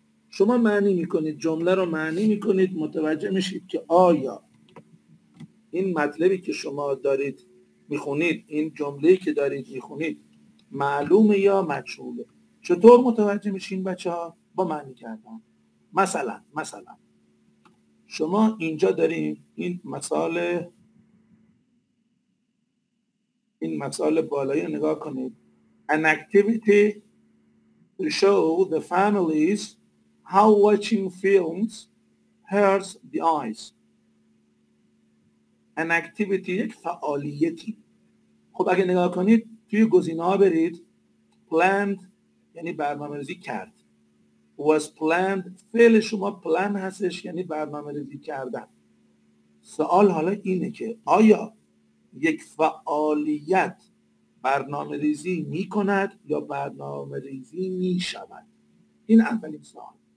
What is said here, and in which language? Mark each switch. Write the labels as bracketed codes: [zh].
[fa] شما معنی میکنید، جمله رو معنی میکنید، متوجه میشید که آیا این مطلبی که شما دارید میخونید، این جمله‌ای که دارید میخونید معلومه یا مجهوله. چطور متوجه میشین بچه‌ها؟ با معنی کردن. مثلا شما اینجا دارین این مثال بالایی نگاه کنید. [en] An activity to show the families how watching films hurts the eyes. An activity [fa] یک فعالیتی. خب اگه نگاه کنید توی گزینه‌ها برید، planned یعنی برنامه‌ریزی کرد، [en] was planned [fa] فعل شما plan هستش یعنی برنامه‌ریزی کردن. سوال حالا اینه که آیا یک فعالیت برنامه‌ریزی می‌کند یا برنامه‌ریزی می‌شود؟ این اولین سوال.